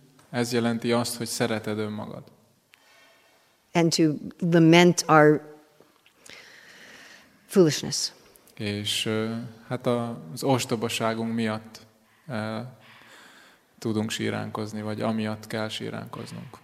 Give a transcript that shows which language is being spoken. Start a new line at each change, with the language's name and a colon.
Hungarian: Ez jelenti azt, hogy szereted önmagad.
English: And to lament our foolishness.
Hungarian: És hát az ostobaságunk miatt tudunk síránkozni, vagy amiatt kell síránkoznunk.